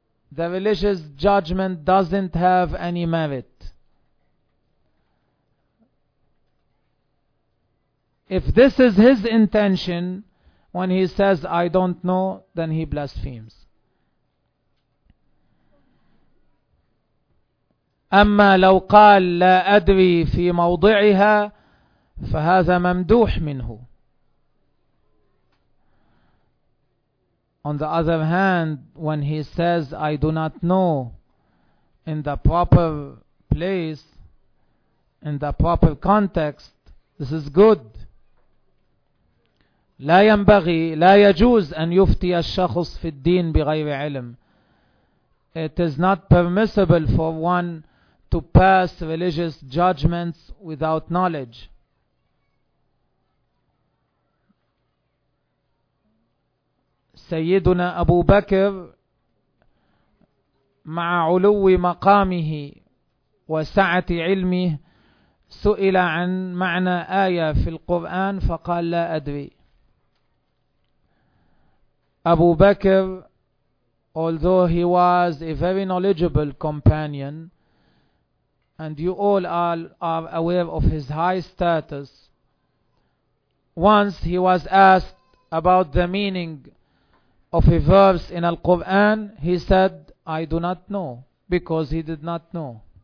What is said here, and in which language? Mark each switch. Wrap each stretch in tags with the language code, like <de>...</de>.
<en>The religious judgment doesn't have any merit. If this is his intention, when he says, I don't know, then he blasphemes.</en> <ar>أما لو قال لا أدري في موضعها فهذا ممدوح منه.</ar> <en>On the other hand, when he says I do not know in the proper place, in the proper context, this is good.</en> <ar>لا ينبغي لا يجوز أن يفتي الشخص في الدين بغير علم.</ar> <en>It is not permissible for one to pass religious judgments without knowledge.</en> <ar>سيدنا أبو بكر مع علو مقامه وسعة علمه سئل عن معنى آية في القرآن فقال لا أدري.</ar> <en>أبو بكر, although he was a very knowledgeable companion, and you all are aware of his high status, once he was asked about the meaning of a verse in Al-Quran, he said, I do not know, because he did not know.</en>